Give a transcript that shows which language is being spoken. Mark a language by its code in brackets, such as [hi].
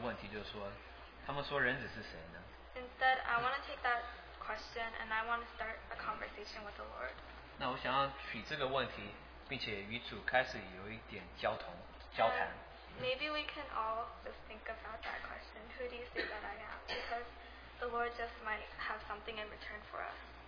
[zh] 那一整个礼拜就是聚会结束的时候，我也是不想要放过这个问题，就是说，他们说人子是谁呢？ [en] Instead, I want to take that question and I want to start a conversation with the Lord. [zh] 那我想要取这个问题，并且与主开始有一点交谈。 [en] Maybe we can all just think about that question. Who do you say that I am? Because the Lord just might have something in return for us.